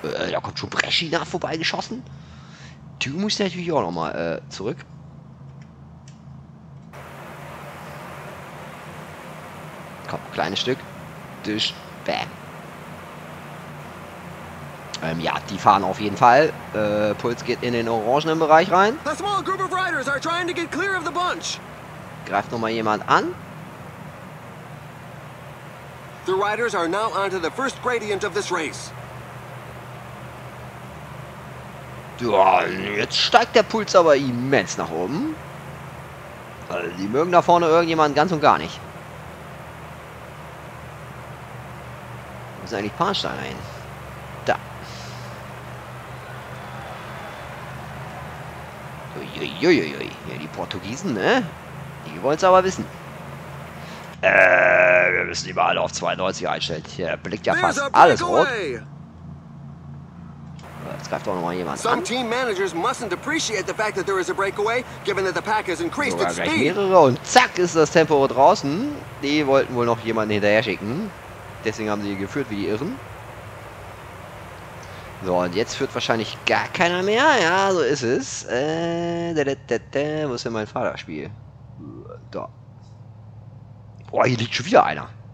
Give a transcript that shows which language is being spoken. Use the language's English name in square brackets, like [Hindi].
[German] Da kommt schon Breschi nach vorbeigeschossen. Du musst natürlich auch noch mal zurück. Komm, kleines Stück. Tisch. Bäm. Ja, die fahren auf jeden Fall. Puls geht in den orangenen Bereich rein. [English] A small group of riders are trying to get clear of the bunch. [German] Greift noch mal jemand an. [English] The riders are now onto the first gradient of this race. [German] Ja, jetzt steigt der Puls aber immens nach oben. Die mögen da vorne irgendjemanden ganz und gar nicht. Wo ist eigentlich Parnsteiner hin? Uiuiui, ja, die Portugiesen, ne? Die wollen es aber wissen. Wir müssen die Wahl auf 92 einstellen. Hier blickt ja fast alles rot. Jetzt greift doch nochmal jemand an. [English] Some team managers mustn't appreciate the fact that there is a breakaway, given that the pack has increased its speed. [German] Mehrere und zack ist das Tempo draußen. Die wollten wohl noch jemanden hinterher schicken. Deswegen haben sie geführt wie die Irren. So, und jetzt führt wahrscheinlich gar keiner mehr. Ja, so ist es. Wo ist denn mein Fahrerspiel? Da. Boah, hier liegt schon wieder einer.